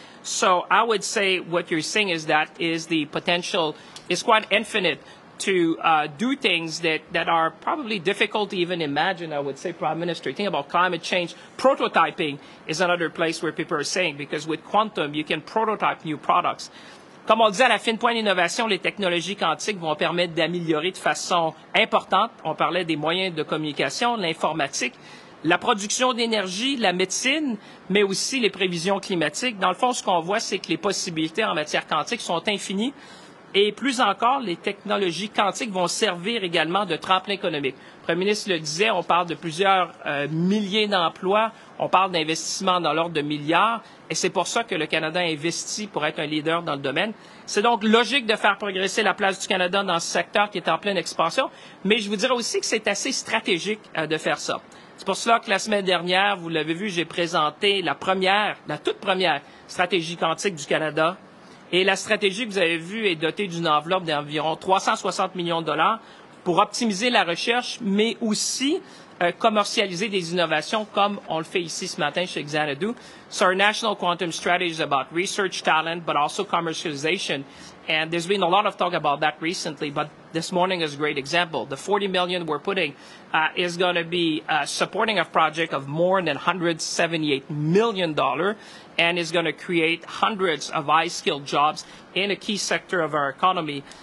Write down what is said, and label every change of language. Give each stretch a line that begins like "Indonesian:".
English: So I would say what you're seeing is that is the potential is quite infinite to do things that are probably difficult to even imagine, I would say, Prime Minister. Think about climate change. Prototyping is another place where people are saying, because with Quantum, you can prototype new products.
French: Comme on disait, à la fine pointe d'innovation, les technologies quantiques vont permettre d'améliorer de façon importante, on parlait des moyens de communication, l'informatique, la production d'énergie, la médecine, mais aussi les prévisions climatiques. Dans le fond, ce qu'on voit, c'est que les possibilités en matière quantique sont infinies. Et plus encore, les technologies quantiques vont servir également de tremplin économique. Le Premier ministre le disait, on parle de plusieurs milliers d'emplois, on parle d'investissements dans l'ordre de milliards, et c'est pour ça que le Canada investit pour être un leader dans le domaine. C'est donc logique de faire progresser la place du Canada dans ce secteur qui est en pleine expansion, mais je vous dirais aussi que c'est assez stratégique de faire ça. C'est pour cela que la semaine dernière, vous l'avez vu, j'ai présenté la toute première stratégie quantique du Canada. Et la stratégie que vous avez vue est dotée d'une enveloppe d'environ 360 millions de dollars pour optimiser la recherche, mais aussi commercialiser des innovations comme on le fait ici ce matin chez Xanadu.
English: So our national quantum strategy is about research talent, but also commercialization. And there's been a lot of talk about that recently, but this morning is a great example. The $40 million we're putting is going to be supporting a project of more than $178 million and is going to create hundreds of high-skilled jobs in a key sector of our economy.